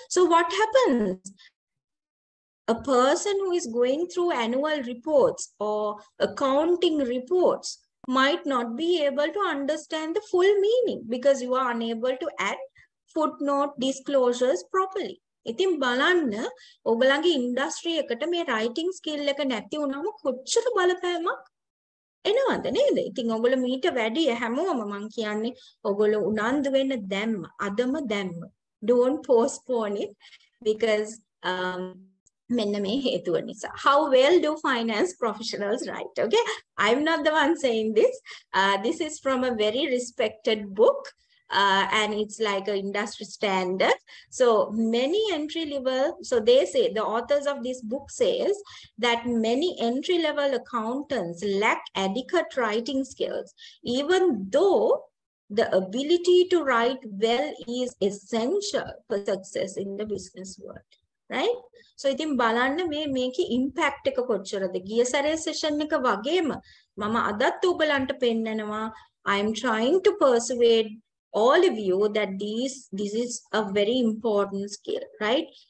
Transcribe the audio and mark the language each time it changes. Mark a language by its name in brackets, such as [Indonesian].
[English] So what happens? A person who is going through annual reports or accounting reports might not be able to understand the full meaning because you are unable to add footnote disclosures properly. [Sinhala] ඉතින් බලන්න ඔබලගේ industry එකට මේ writing skill එක නැති වුණාම කොච්චර බලපෑමක් එනවද නේද? ඉතින් ඔගොල්ලෝ මීට වැඩි හැමෝම මම කියන්නේ ඔගොල්ලෝ උනන්දු වෙන්න දැම්ම අදම දැම්ම. [English] Don't postpone it because [Sinhala] මෙන්න මේ හේතුව නිසා. [English] How well do finance professionals write? Okay? I'm not the one saying this. This is from a very respected book. And it's like an industry standard. So many entry level, so they say, the authors of this book says that many entry level accountants lack adequate writing skills, even though the ability to write well is essential for success in the business world. Right? [Sinhala] So ඉතින් බලන්න මේ මේකේ impact එක කොච්චරද. ගිය සැරේ session එක වගේම මම අදත් ඔබලන්ට පෙන්නනවා, [English] I'm trying to persuade all of you that this is a very important skill, right?